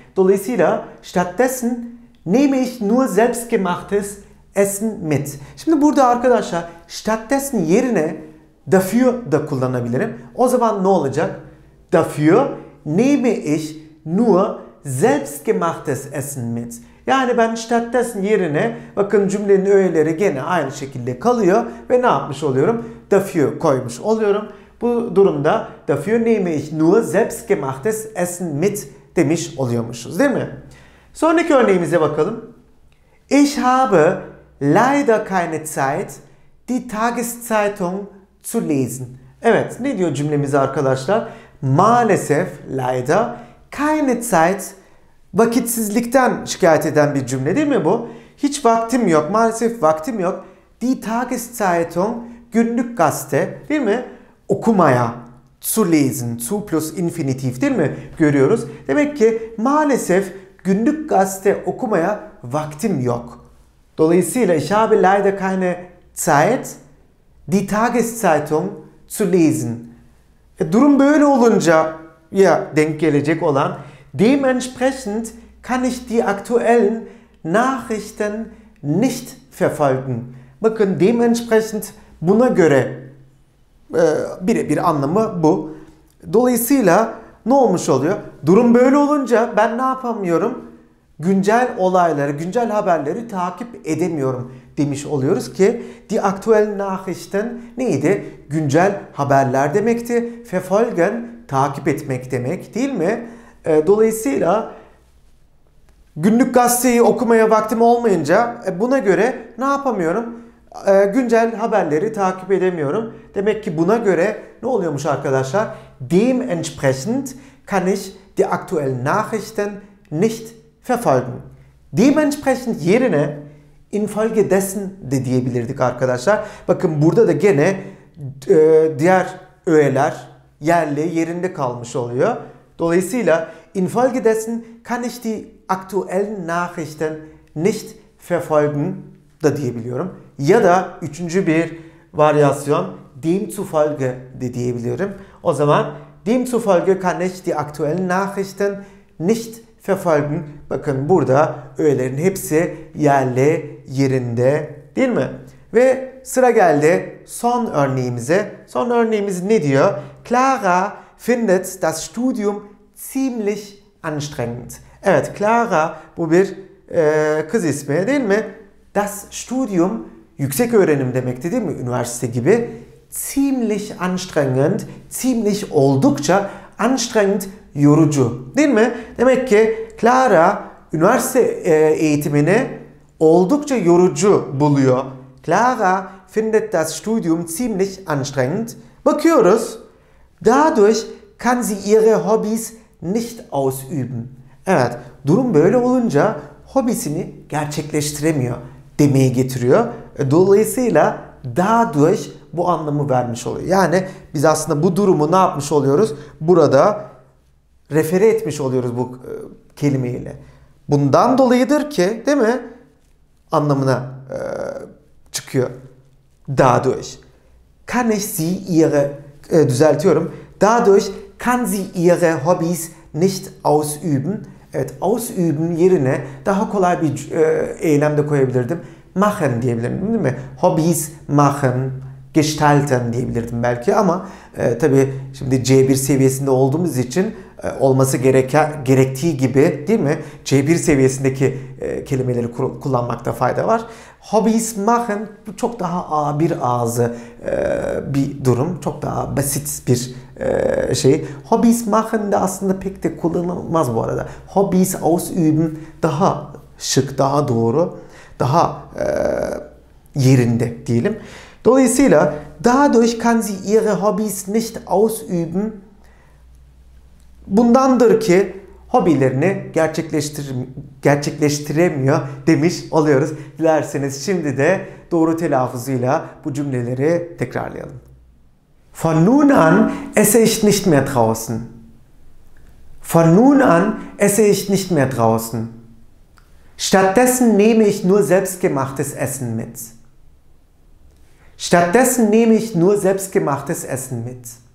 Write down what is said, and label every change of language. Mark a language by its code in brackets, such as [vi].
[tr] Dolayısıyla [de] stattdessen nehme ich nur selbst gemachtes Essen mit. [tr] Şimdi burada arkadaşlar stattdessen yerine dafür da kullanabilirim. O zaman ne olacak? [de] Dafür nehme ich nur selbst gemachtes Essen mit. [tr] Yani ben stattdessen yerine, bakın cümlenin öğeleri gene aynı şekilde kalıyor ve ne yapmış oluyorum? Dafür koymuş oluyorum. Bu durumda [de] dafür nehme ich nur selbst gemachtes Essen mit [tr] demiş oluyormuşuz, değil mi? Sonraki örneğimize bakalım. [de] Ich habe leider keine Zeit, die Tageszeitung zu lesen. [tr] Evet, ne diyor cümlemiz arkadaşlar? Maalesef, leider, keine Zeit, vakitsizlikten şikayet eden bir cümle değil mi bu? Hiç vaktim yok, maalesef vaktim yok. Die Tageszeitung, günlük gazete, değil mi? Okumaya, zu lesen, zu plus infinitiv, değil mi? Görüyoruz. Demek ki maalesef günlük gazete okumaya vaktim yok. Dolayısıyla [de] ich habe leider keine Zeit, die Tageszeitung zu lesen. [tr] Durum böyle olunca ya denk gelecek olan [de] dementsprechend kann ich die aktuellen Nachrichten nicht verfolgen. [tr] Bakın dementsprechend buna göre birebir anlamı bu. Dolayısıyla ne olmuş oluyor? Durum böyle olunca ben ne yapamıyorum? Güncel olayları, güncel haberleri takip edemiyorum demiş oluyoruz ki [de] die aktuellen Nachrichten [tr] neydi? Güncel haberler demekti. Verfolgen takip etmek demek değil mi? Dolayısıyla günlük gazeteyi okumaya vaktim olmayınca buna göre ne yapamıyorum? Güncel haberleri takip edemiyorum. Demek ki buna göre ne oluyormuş arkadaşlar? [de] Dementsprechend kann ich die aktuellen Nachrichten nicht verfolgen. [tr] Dementsprechend yerine infolgedessen de diyebilirdik arkadaşlar. Bakın burada da gene diğer öğeler yerli yerinde kalmış oluyor. Dolayısıyla [de] infolgedessen kann ich die aktuellen Nachrichten nicht verfolgen [tr] da diyebiliyorum. Ya da üçüncü bir varyasyon demzufolge de diyebiliyorum. O zaman [de] demzufolge kann ich die aktuellen Nachrichten nicht verfolgen. [tr] Bakın burada öğelerin hepsi yerli yerinde değil mi? Ve sıra geldi son örneğimize. Son örneğimiz ne diyor? [de] Clara findet das Studium ziemlich anstrengend. [tr] Evet, Clara bu bir kız ismi değil mi? Das Studium yüksek öğrenim demekti değil mi? Üniversite gibi. Ziemlich anstrengend, ziemlich oldukça anstrengend, yorucu değil mi? Demek ki Clara üniversite eğitimini oldukça yorucu buluyor. [de] Clara findet das Studium ziemlich anstrengend. [tr] Bakıyoruz. [de] Dadurch kann sie ihre Hobbys nicht ausüben. [tr] Evet, durum böyle olunca hobisini gerçekleştiremiyor demeye getiriyor. Dolayısıyla dadurch bu anlamı vermiş oluyor. Yani biz aslında bu durumu ne yapmış oluyoruz? Burada refere etmiş oluyoruz bu kelimeyle. Bundan dolayıdır ki, değil mi? Anlamına çıkıyor. [de] Dadurch kann ich sie ihre [tr] düzeltiyorum. [de] Dadurch kann sie ihre Hobbys nicht ausüben. [tr] Evet, ausüben yerine daha kolay bir eylem de koyabilirdim. Machen diyebilirim, değil mi? Hobbys machen, gestalten diyebilirdim belki ama tabii şimdi C1 seviyesinde olduğumuz için olması gerektiği gibi değil mi? C1 seviyesindeki kelimeleri kullanmakta fayda var. Hobbies machen bu çok daha A1 ağzı bir durum. Çok daha basit bir şey. Hobbies machen de aslında pek de kullanılmaz bu arada. Hobbies ausüben daha şık, daha doğru, daha yerinde diyelim. Dolayısıyla [de] dadurch kann sie ihre Hobbies nicht ausüben. [tr] Bundandır ki hobilerini gerçekleştiremiyor demiş oluyoruz. Dilerseniz şimdi de doğru telaffuzuyla bu cümleleri tekrarlayalım. [de] Von nun an esse ich nicht mehr draußen. Von nun an esse ich nicht mehr draußen. Stattdessen nehme ich nur selbstgemachtes Essen mit. Stattdessen nehme ich nur selbstgemachtes Essen mit.